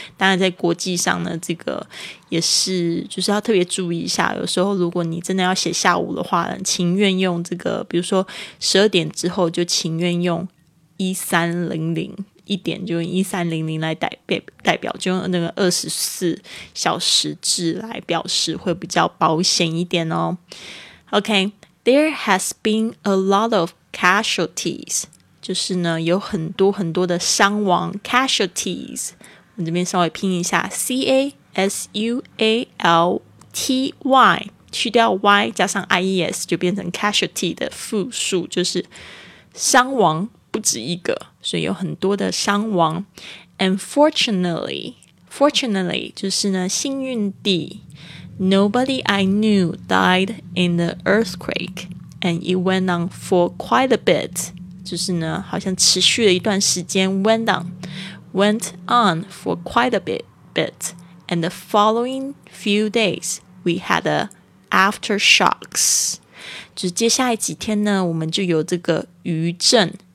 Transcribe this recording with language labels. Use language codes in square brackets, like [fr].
[zh] 当然在国际上呢，这个也是就是要特别注意一下，有时候如果你真的要写下午的话，情愿用这个，比如说12点之后就情愿用1300一点，就用1300来代表，就用那个24小时制来表示，会比较保险一点哦。 [en] OK, there has been a lot of casualties. [zh] 就是呢，有很多很多的伤亡 casualties. 我这边稍微拼一下 casualty， 去掉 y 加上 ies 就变成 casualty 的复数，就是伤亡。不止一个，所以有很多的伤亡。 [en] Unfortunately, [zh] 就是呢，幸运地 [en] ，nobody I knew died in the earthquake, and it went on for quite a bit. [zh] 就是呢，好像持续了一段时间。 [en] Went on for quite a bit, and the following few days we had a aftershocks. [zh] 就是接下来几天呢，我们就有这个余震。